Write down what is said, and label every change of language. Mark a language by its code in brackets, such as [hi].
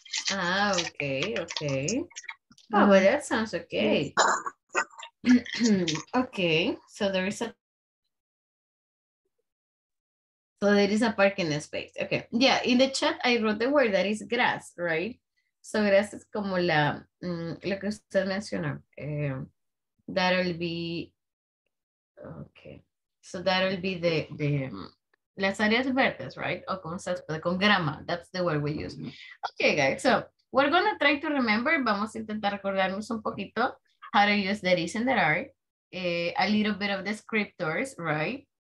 [en] Ah, okay, okay. Oh, well, that sounds okay. Okay, so there is a... So there is a parking space. Okay, yeah, in the chat I wrote the word that is grass, right? So grass is [es] como la, lo que usted menciona. [en] That'll be, okay. So that'll be the [es] las áreas verdes, [en] right? [es] O como se puede, con grama, [en] that's the word we use. Okay, guys, so we're gonna try to remember, [es] vamos a intentar recordarnos un poquito [en] how to use that is and that are, a little bit of descriptors, right?